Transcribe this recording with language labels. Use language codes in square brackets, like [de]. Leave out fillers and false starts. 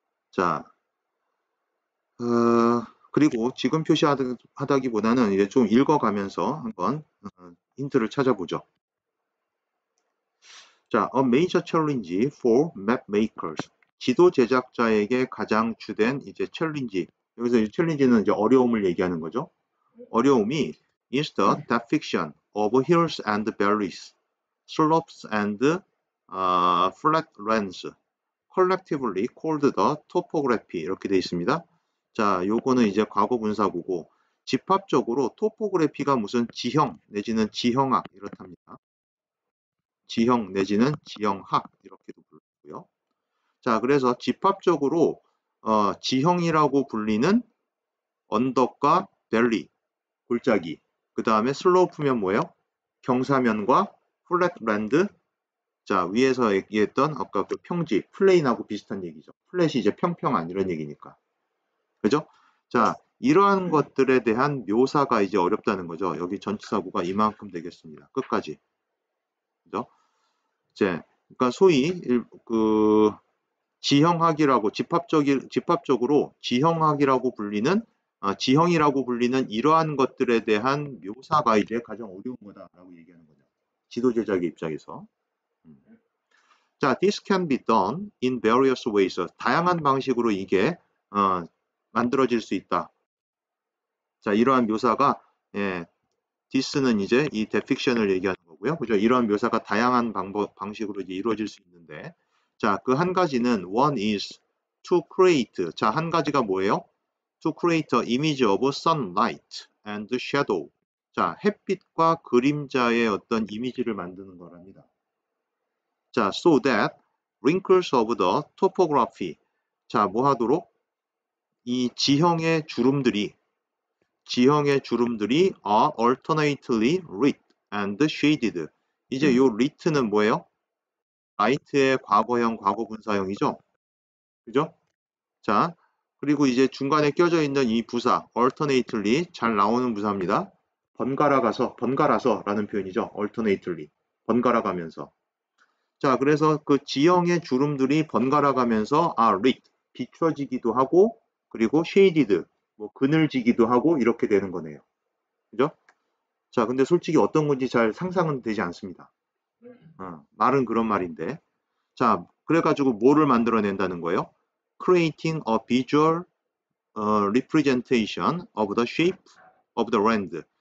[ko] 자, 그리고 지금 표시하다기보다는 이제 좀 읽어가면서 한번 힌트를 찾아보죠. [en] 자, a major challenge for map makers. [ko] 지도 제작자에게 가장 주된 이제 챌린지. 여기서 이 챌린지는 이제 어려움을 얘기하는 거죠. 어려움이 [en] is the depiction of hills and valleys, slopes and flatlands, collectively called the topography. [ko] 이렇게 돼 있습니다. 자, 요거는 이제 과거분사구고, 집합적으로 토포그래피가 무슨 지형 내지는 지형학 이렇답니다. 지형 내지는 지형학 이렇게도 부르고요. 자, 그래서 집합적으로 지형이라고 불리는 언덕과 밸리, 골짜기, 그 다음에 슬로우프면 뭐예요? 경사면과 플랫랜드. 자, 위에서 얘기했던 아까 그 평지, 플레인하고 비슷한 얘기죠. 플랫이 이제 평평한 이런 얘기니까. 그죠? 자, 이러한 것들에 대한 묘사가 이제 어렵다는 거죠. 여기 전치사구가 이만큼 되겠습니다. 끝까지. 그죠? 이제, 그러니까 소위, 그, 지형학이라고, 집합적으로 지형학이라고 불리는, 지형이라고 불리는 이러한 것들에 대한 묘사가 이제 가장 어려운 거다라고 얘기하는 거죠. 지도 제작의 입장에서. [en] 자, this can be done in various ways. [ko] 다양한 방식으로 이게, 만들어질 수 있다. 자, 이러한 묘사가, 예, this는 이제 이 depiction을 얘기하는 거고요. 그죠? 이러한 묘사가 다양한 방식으로 이제 이루어질 수 있는데. 자, 그한 가지는 [en] one is to create. [ko] 자, 한 가지가 뭐예요? [en] To create an image of sunlight and shadow. [ko] 자, 햇빛과 그림자의 어떤 이미지를 만드는 거랍니다. [en] 자, so that wrinkles of the topography. 자, [ko] 뭐 하도록? 이 지형의 주름들이 [en] are alternately lit and shaded. [ko] 이제 요 lit는 뭐예요? 라이트의 과거형, 과거분사형이죠? 그죠? 자, 그리고 이제 중간에 껴져 있는 이 부사, alternately 잘 나오는 부사입니다. 번갈아서라는 표현이죠. alternately. 번갈아가면서. 자, 그래서 그 지형의 주름들이 번갈아가면서 [en] are lit. [ko] 비춰지기도 하고, 그리고 쉐이디드, 뭐 그늘지기도 하고 이렇게 되는 거네요. 그죠? 자, 근데 솔직히 어떤 건지 잘 상상은 되지 않습니다. 말은 그런 말인데. 자, 그래가지고 뭐를 만들어낸다는 거예요? [en] Creating a visual representation of the shape of the land.